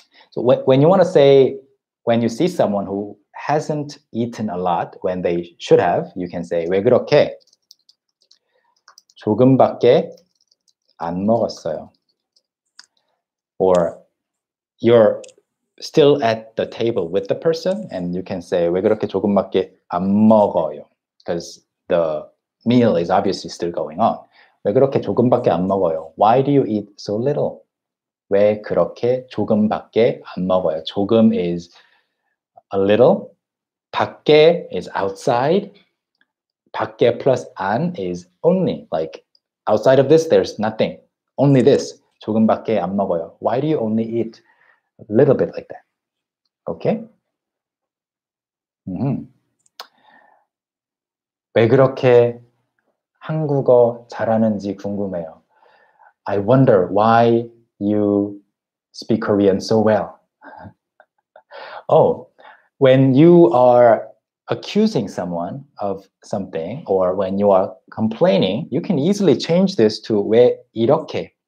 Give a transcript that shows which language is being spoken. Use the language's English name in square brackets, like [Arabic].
[English] So when you want to say, when you see someone who hasn't eaten a lot when they should have, you can say [Korean] 왜 그렇게 조금밖에 안 먹었어요? [English] Or you're still at the table with the person, and you can say [Korean] 왜 그렇게 조금밖에 안 먹어요? [English] Because the meal is obviously still going on. [Korean] 왜 그렇게 조금밖에 안 먹어요? [English] Why do you eat so little? [Korean] 왜 그렇게 조금밖에 안 먹어요? [English] 조금 is a little. 밖에 is outside. 밖에 plus 안 is only. Like outside of this, there's nothing. Only this. [Korean] 조금밖에 안 먹어요. [English] Why do you only eat a little bit like that? Okay? Mm-hmm. [Korean] 왜 그렇게 한국어 잘하는지 궁금해요. [English] I wonder why you speak Korean so well. Oh, when you are accusing someone of something or when you are complaining, you can easily change this to [Korean] 왜 이렇게?